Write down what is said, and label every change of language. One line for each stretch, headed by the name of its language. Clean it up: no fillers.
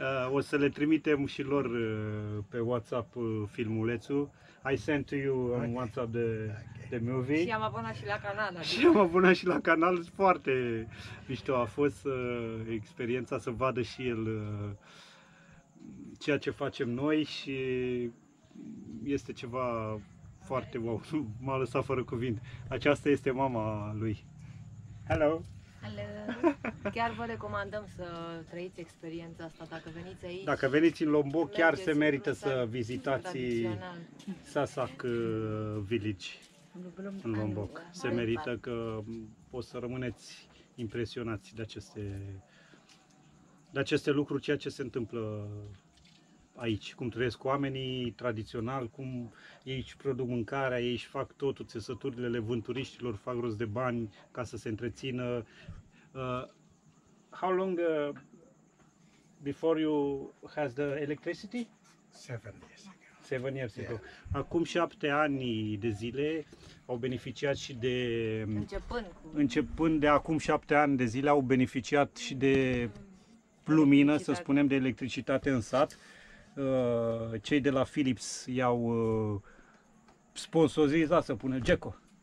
Romanian: O să le trimitem și lor pe WhatsApp filmulețul.
English: I sent to you on WhatsApp the movie.
Romanian: Și am abonat și la canal. Și am abonat și la canal. Foarte mișto a fost experiența să vadă și el ceea ce facem noi și este ceva foarte wow. M-a lăsat fără cuvinte. Aceasta este mama lui. Hello!
English: Hello.
Romanian: Chiar vă recomandăm să trăiți experiența asta dacă veniți aici. Dacă veniți în Lombok, chiar se merită să vizitați Sasak Village în Lombok. Se merită că o să rămâneți impresionați de aceste lucruri, ceea ce se întâmplă aici. Cum trăiesc oamenii tradițional, cum ei își produc mâncarea, ei își fac totul, țesăturile, le vând turiștilor, fac rost de bani ca să se întrețină.
English: How long before you has the electricity? 7 years ago. 7 years ago. Yeah.
Romanian: Acum 7 ani de zile au beneficiat și de... Începând de acum 7 ani de zile au beneficiat și de lumină, să spunem, de electricitate în sat. Cei de la Philips i-au sponsorizat, să pune Jeco.